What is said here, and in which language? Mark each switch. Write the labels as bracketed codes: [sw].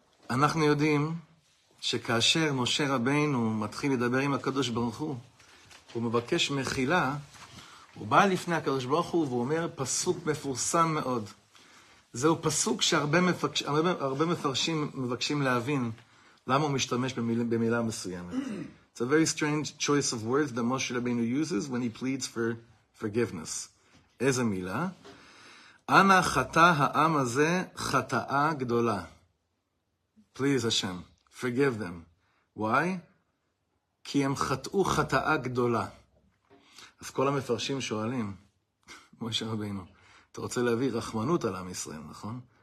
[he] אנחנו יודעים שכאשר משה רבינו מתחיל לדבר עם הקדוש ברוך הוא, הוא מבקש מחילה, הוא בא לפני הקדוש ברוך הוא ואומר פסוק מפורסם מאוד. זהו פסוק שהרבה מפרשים מבקשים להבין למה הוא משתמש במילה מסוימת. [en] It's a very strange choice of words that Moshe Rabbeinu uses when he pleads for forgiveness. [he] איזה מילה? אנא חטא העם הזה חטאה גדולה. [en] Please, Hashem, forgive them. Why? [he] כי הם חטאו חטאה גדולה. אז כל המפרשים שואלים, משה רבינו, אתה רוצה להביא רחמנות על עם ישראל, נכון?